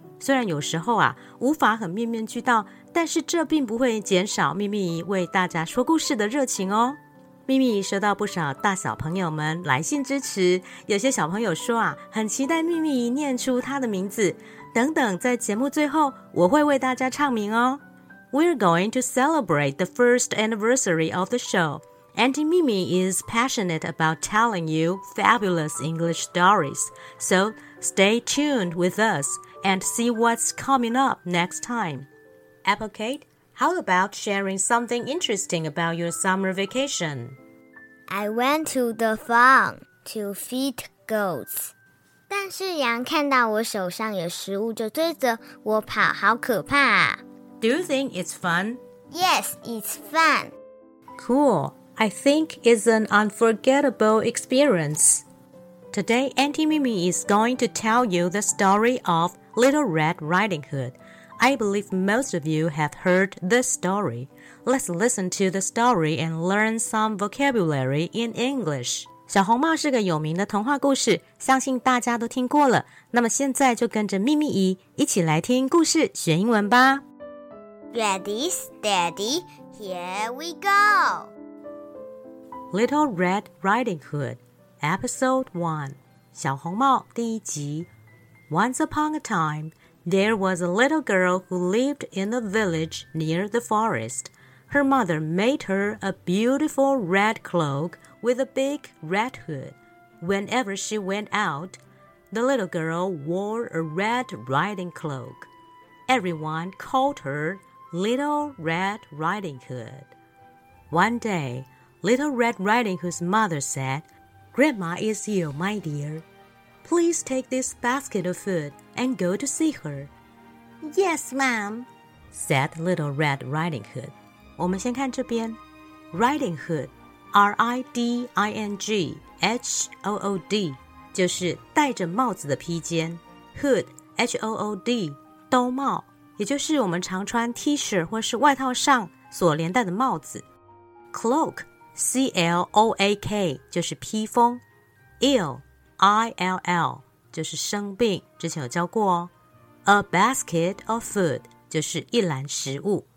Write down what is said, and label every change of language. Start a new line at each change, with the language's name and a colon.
Chinese: 虽然有时候啊无法很面面俱到，但是这并不会减少咪咪为大家说故事的热情哦。咪咪收到不少大小朋友们来信支持，有些小朋友说啊很期待咪咪念出他的名字等等，在节目最后我会为大家唱名哦。
English: We're going to celebrate the first anniversary of the show. Auntie Mimi is passionate about telling you fabulous English stories. So stay tuned with us and see what's coming up next time. Apple Kate, how about sharing something interesting about your summer vacation? I went to the farm to feed goats.
Chinese: 但是羊看到我手上有食物就追着我跑，好可怕啊。
English: Do you think it's fun? Yes, it's fun. Cool. I think it's an unforgettable experience. Today, Auntie Mimi is going to tell you the story ofLittle Red Riding Hood. I believe most of you have heard this story. Let's listen to the story and learn some vocabulary in English.
Chinese: 小红帽是个有名的童话故事，相信大家都听过了。那么现在就跟着咪咪姨一起来听故事，学英文吧。
English: Ready, steady, here we go. Little Red Riding Hood, Episode 1.
Chinese: 小红帽第一集。
English: Once upon a time, there was a little girl who lived in a village near the forest. Her mother made her a beautiful red cloak with a big red hood. Whenever she went out, the little girl wore a red riding cloak. Everyone called her Little Red Riding Hood. One day, Little Red Riding Hood's mother said, Grandma is ill, my dear. Please take this basket of food and go to see her. Yes, ma'am, said Little Red Riding Hood.
Chinese: 我们先看这边。 Riding Hood, R-I-D-I-N-G-H-O-O-D, 就是戴着帽子的披肩。 Hood, H-O-O-D, 兜帽，也就是我们常穿 T-shirt 或是外套上所连带的帽子。 Cloak, C-L-O-A-K, 就是披风。 Ill,I-L-L, 就是生病，之前有教过哦。
English: A basket of food,
Chinese: 就是一篮食物。